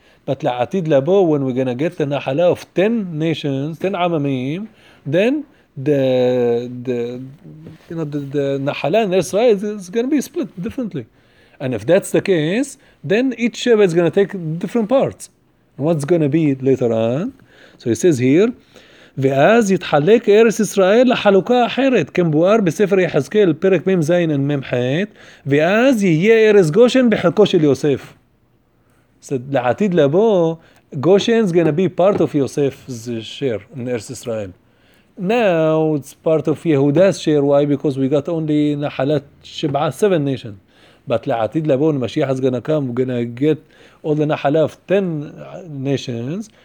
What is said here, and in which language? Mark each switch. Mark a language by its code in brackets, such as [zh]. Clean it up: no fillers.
[en] But [he] la'atid labo, [en] when we're going to get the nahala of 10 nations, 10 amamim, then the nahala in Israel is going to be split differently. And if that's the case, then each Sheva is going to take different parts. What's going to be later on? So he says here, [he] ואז יתחלק ארץ ישראל לחלוקה אחרת, כמבואר בספר יחזקאל, פרק מ' ז' מ' ח', ואז יהיה ארץ גושן בחלקו של יוסף. [en] לעתיד לבוא, גושן is going to be part of Yosef's share in ארץ ישראל. Now it's part of יהודה's share. Why? Because we got only נחלת שבעה, 7 nations. But לעתיד לבוא, משיח is going to come, we're going to get all the נחלה of 10 nations.